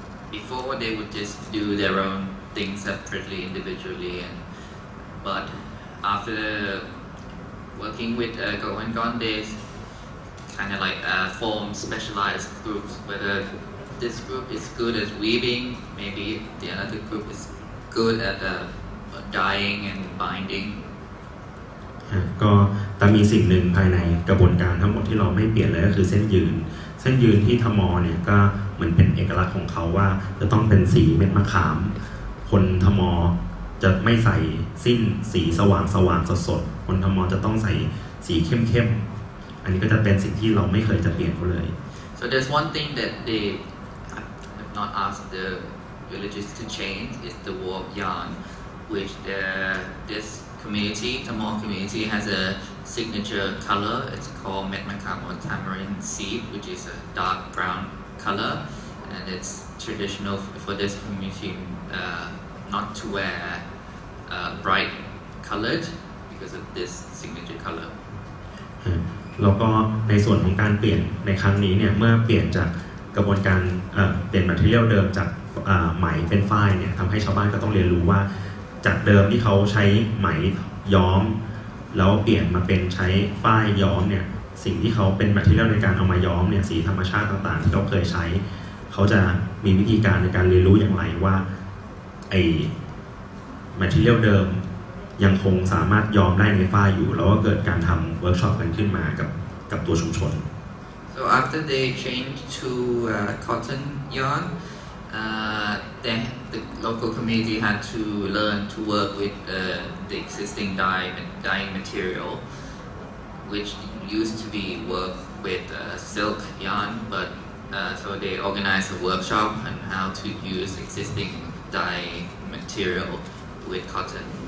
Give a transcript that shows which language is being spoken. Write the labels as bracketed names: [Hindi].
[English] before they would just do their own things separately individually and but after working with GoWentGone they kind of like form specialized groups whether this group is good at weaving maybe the other group is good at dyeing and binding [Thai] ก็แต่มีสิ่งหนึ่งภายในกระบวนการทั้งหมดที่เราไม่เปลี่ยนเลยก็คือเส้นยืนที่ทมอเนี่ยก็เหมือนเป็นเอกลักษณ์ของเขาว่าจะต้องเป็นสีเม็ดมะขามคนทมอจะไม่ใส่สิ้นสีสว่างสดๆคนทมอจะต้องใส่สีเข้มๆอันนี้ก็จะเป็นสิ่งที่เราไม่เคยจะเปลี่ยนเขาเลย [English] so there's one thing that they have not asked the villagers to change is the warp yarn which thisCommunity, Tamil community has a signature color. It's called Metmakam or Tamarind Seed, which is a dark brown color, and it's traditional for this community not to wear bright colored because of this signature color. [Thai] แล้วก็ในส่วนของการเปลี่ยนในครั้งนี้เนี่ยเมื่อเปลี่ยนจากกระบวนการเปลี่ยนแมทเทียลเดิมจากไหมเป็นฝ้ายเนี่ยทำให้ชาวบ้านก็ต้องเรียนรู้ว่าจากเดิมที่เขาใช้ไหมย้อม แล้วเปลี่ยนมาเป็นใช้ฝ้ายย้อมเนี่ยสิ่งที่เขาเป็นแมทเทียลในการเอามาย้อมเนี่ยสีธรรมชาติต่างๆที่เขาเคยใช้เขาจะมีวิธีการในการเรียนรู้อย่างไรว่าไอ้แมทเทียลเดิมยังคงสามารถย้อมได้ในฝ้ายอยู่แล้วก็เกิดการทำเวิร์กช็อปกันขึ้นมากับตัวชุมชน [English] so after they change to cotton yarnthen the local community had to learn to work with the existing dyeing material which used to be worked with silk yarn but so they organized a workshop on how to use existing dye material with cotton